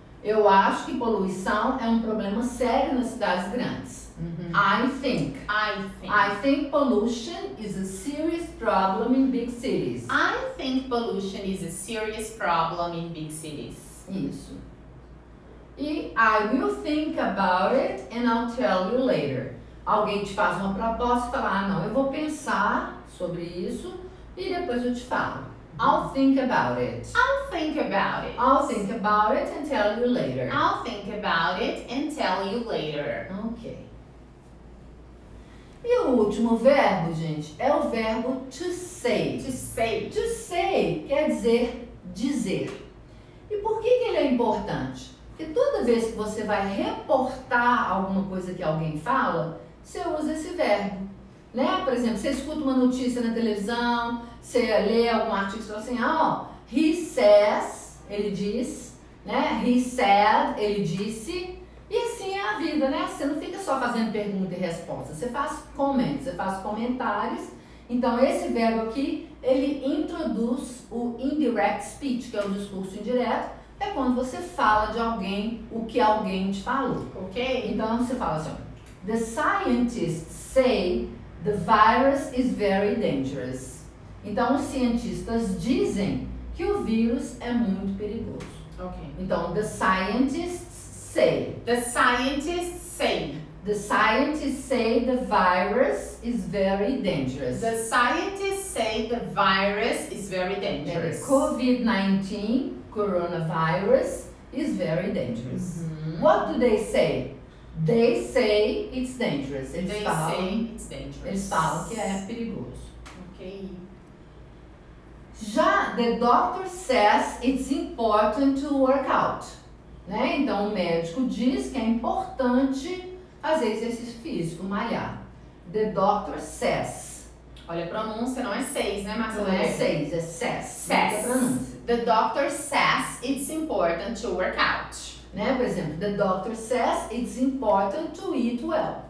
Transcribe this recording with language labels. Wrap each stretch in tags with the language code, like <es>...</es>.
<pt>Eu acho que poluição é um problema sério nas cidades grandes. Uhum.</pt> <en>I think pollution is a serious problem in big cities. I think pollution is a serious problem in big cities.</en> <pt>Isso.</pt> <en>E I will think about it and I'll tell you later.</en> <pt>Alguém te faz uma proposta e fala, ah, não, eu vou pensar sobre isso e depois eu te falo.</pt> <en>I'll think about it. I'll think about it. I'll think about it and tell you later. I'll think about it and tell you later. Ok.</en> <pt>E o último verbo, gente, é o verbo to say. To say. To say quer dizer dizer. E por que ele é importante? Porque toda vez que você vai reportar alguma coisa que alguém fala, você usa esse verbo. Né? Por exemplo, você escuta uma notícia na televisão, você lê algum artigo e fala assim, ó, he says, ele diz, né? He said, ele disse. E assim é a vida, né? Você não fica só fazendo pergunta e resposta, você faz comments, você faz comentários. Então, esse verbo aqui, ele introduz o indirect speech, que é o discurso indireto, é quando você fala de alguém o que alguém te falou. Ok? Então, você fala assim,</pt> <en>the scientists say the virus is very dangerous.</en> <pt>Então, os cientistas dizem que o vírus é muito perigoso. Ok.</pt> <en>Então, the scientists say. The scientists say. The scientists say the virus is very dangerous. The scientists say the virus is very dangerous. COVID-19, coronavirus, is very dangerous. Mm-hmm. What do they say? They say it's dangerous.</en> <pt>Eles falam que é perigoso. Ok.</pt> <en>Já the doctor says it's important to work out.</en> <pt>Né? Então o médico diz que é importante fazer exercício físico, malhar.</pt> <en>The doctor says.</en> <pt>Olha a pronúncia, não é seis, né, Marcelo? Não é seis, é says.</pt> <en>Says.</en> <pt>É</pt> <en>the doctor says it's important to work out.</en> <pt>Né? Por exemplo,</pt> <en>the doctor says it's important to eat well.</en>